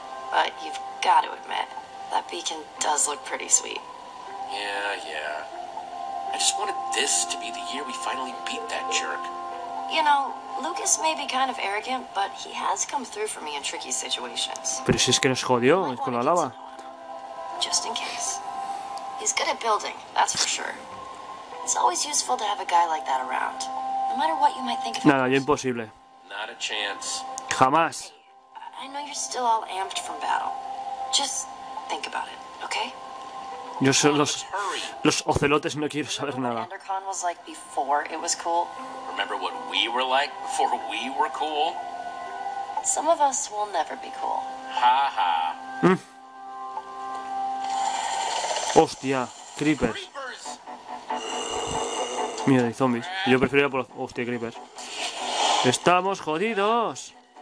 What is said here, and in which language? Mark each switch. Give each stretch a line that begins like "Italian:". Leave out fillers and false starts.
English: But you've got to admit, that beacon does look pretty sweet. Yeah, yeah. I just wanted this to be the year we finally beat that jerk. You know, Lucas may be kind of arrogant, but he has come through for me in tricky situations.
Spanish: Pero si es que nos jodió con la lava.
English: Just in case. He's good at building, that's for sure. It's always useful to have a guy like that around. No matter what you might think of him.
Spanish: Nada, imposible.
English: Not a chance.
Spanish: Jamás.
English: I know you're still all amped from battle. Just think about it, okay?
Spanish: Yo soy los ocelotes, no quiero saber nada.
English: Remember what we were like before we were cool? Some of us will never be cool. Ha ha. Mm.
Spanish: Hostia, creepers. Mierda, hay zombies. Yo prefería por los... Hostia, creepers. Estamos jodidos.